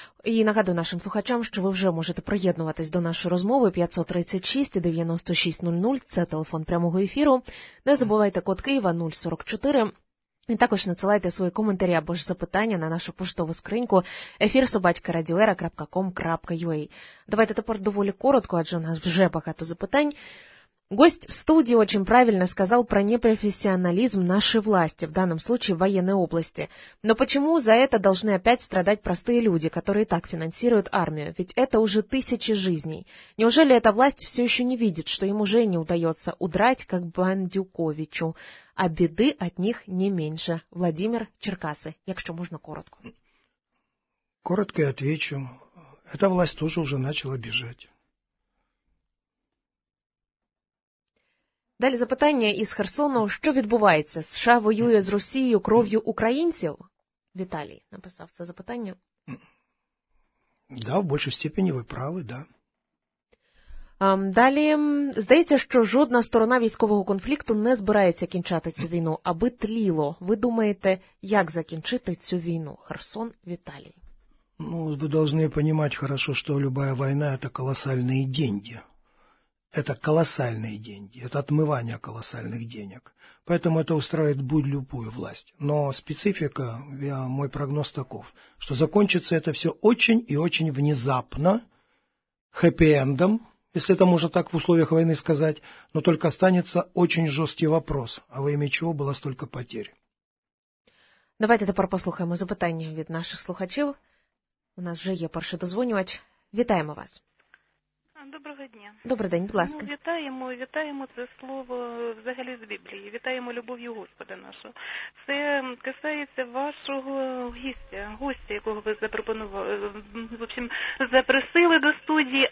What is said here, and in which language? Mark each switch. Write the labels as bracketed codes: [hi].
[uk] І нагадую нашим слухачам, що ви вже можете приєднуватись до нашої розмови 536-9600, це телефон прямого ефіру. Не забувайте код Києва 044. І також надсилайте свої коментарі або ж запитання на нашу поштову скриньку efir@radioera.com.ua. Давайте тепер доволі коротко, адже у нас вже багато запитань. [ru] Гость в студії очень правильно сказал про непрофессионализм нашей власти, в данном случае военной области. Но почему за это должны опять страдать простые люди, которые так финансируют армию? Ведь это уже тысячи жизней. Неужели эта власть все еще не видит, что им уже не удается удрать, как Бандюковичу? А беды от них не меньше. Владимир, Черкасы. Якщо можно коротко. Коротко я отвечу. Эта власть тоже уже начала бежать. [uk] Далі запитання із Херсону. Що відбувається? США воює з Росією кров'ю українців? Віталій написав це запитання. Да, в більшій степені ви праві, да. Далі. Здається, що жодна сторона військового конфлікту не збирається кінчати цю війну, аби тліло. Ви думаєте, як закінчити цю війну? Херсон, Віталій. Ну, ви повинні розуміти хорошо, що будь-яка війна – це колосальні гроші. [ru] Это колоссальные деньги, это отмывание колоссальных денег. Поэтому это устраивает будь любую власть. Но специфика, мой прогноз таков, что закончится это все очень и очень внезапно, хэппи-эндом, если это можно так в условиях войны сказать, но только останется очень жесткий вопрос, а во имя чего было столько потерь. [uk] Давайте тепер послухаємо запитання від наших слухачів. У нас вже є перший дозвонювач. Вітаємо вас. Доброго дня. Добрий день, будь ласка. Ну, вітаємо, вітаємо це слово взагалі з Біблії. Вітаємо любов'ю Господа нашого. Це касається вашого гостя, гостя, якого ви запропонували, в общем, запросили до студії.